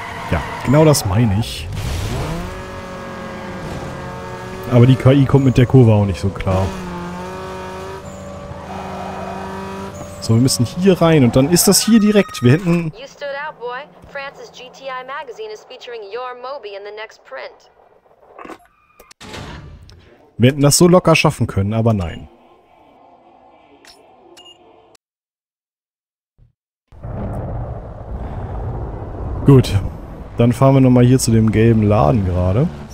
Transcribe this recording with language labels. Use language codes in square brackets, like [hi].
[de] Ja, genau das meine ich. Aber die KI kommt mit der Kurve auch nicht so klar. So, wir müssen hier rein und dann ist das hier direkt. Wir hätten... [en] France's GTI Magazine is featuring your Moby in the next print. [de] Wir hätten das so locker schaffen können, aber nein. Gut, dann fahren wir nochmal hier zu dem gelben Laden gerade.